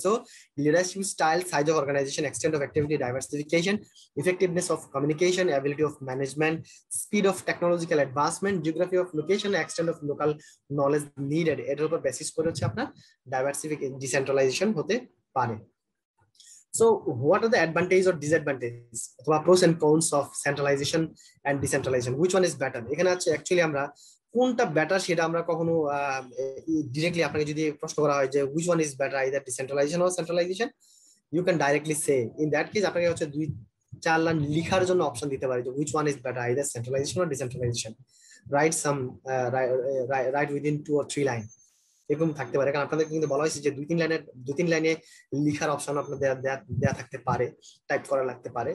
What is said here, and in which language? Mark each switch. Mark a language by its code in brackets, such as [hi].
[en] so leadership style, size of organisation, extend of activity, diversification, effectiveness of communication, ability of management, speed of technological advancement, geography of location, extend of local knowledge needed, [bn] এটার উপর basis করে হচ্ছে আপনার diversification decentralisation হতে পারে। [en] So what are the advantages or disadvantages, or pros and cons of centralization and decentralization, which one is better? [bn] এখানে আছে actually আমরা কোনটা better সেটা আমরা কখনো directly আপনাকে যদি প্রশ্ন করা হয় যে [en] which one is better, either decentralization or centralization, you can directly say, [bn] in that case আপনাকে হচ্ছে দুই চার লাইন লিখার জন্য অপশন দিতে পারি, [en] which one is better, either centralisation or decentralisation, right some right within two or three line, [bn] এরকম থাকতে পারে। কারণ আপনাদের কিন্তু বলা হয়েছে যে দুই তিন লাইনের, দু তিন লাইনে লিখার অপশন আপনাদের দেওয়া থাকতে পারে, টাইপ করা লাগতে পারে।